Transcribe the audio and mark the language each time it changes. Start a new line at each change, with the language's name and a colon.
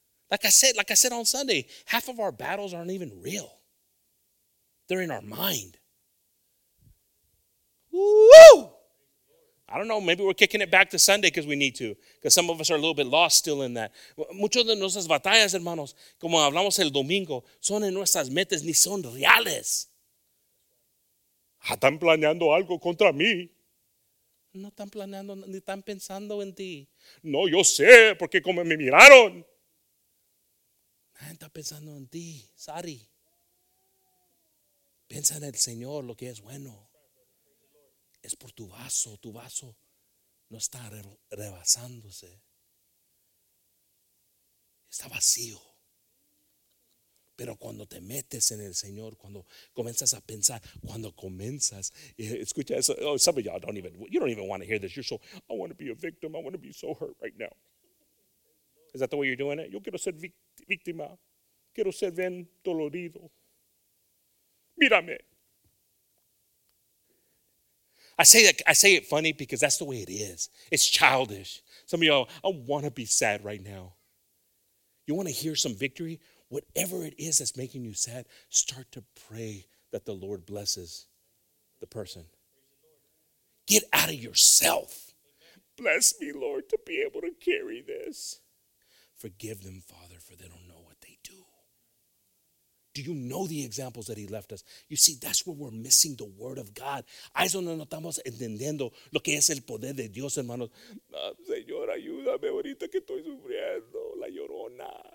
English: Like I said on Sunday, half of our battles aren't even real. They're in our mind. Woo! I don't know, maybe we're kicking it back to Sunday because we need to. Because some of us are a little bit lost still in that.
Spanish: Muchos de nuestras batallas, hermanos, como hablamos el domingo, son en nuestras mentes, ni son reales. Están planeando algo contra mí. No están planeando, ni están pensando en ti. No, yo sé, porque como me miraron. Nadie está pensando en ti, sorry. Piensa en el Señor, lo que es bueno. Es por tu vaso. Tu vaso no está rebasándose. Está vacío. Pero cuando te metes en el Señor, cuando comienzas a pensar, cuando comienzas, escucha eso.
English: Oh, some of y'all don't even want to hear this. You're so, I want to be a victim. I want to be so hurt right now. Is that the way you're doing it?
Spanish: Yo quiero ser víctima.
English: Quiero ser bien dolorido. Mírame. I say it funny because that's the way it is. It's childish. Some of y'all, I want to be sad right now. You want to hear some victory? Whatever it is that's making you sad, start to pray that the Lord blesses the person. Get out of yourself. Bless me, Lord, to be able to carry this. Forgive them, Father, for they don't know what they do. Do you know the examples that he left us? You see, that's where we're missing the word of God.
Spanish: Ahí es donde no estamos entendiendo lo que es el poder de Dios, hermanos. Señor, ayúdame ahorita que estoy sufriendo la llorona.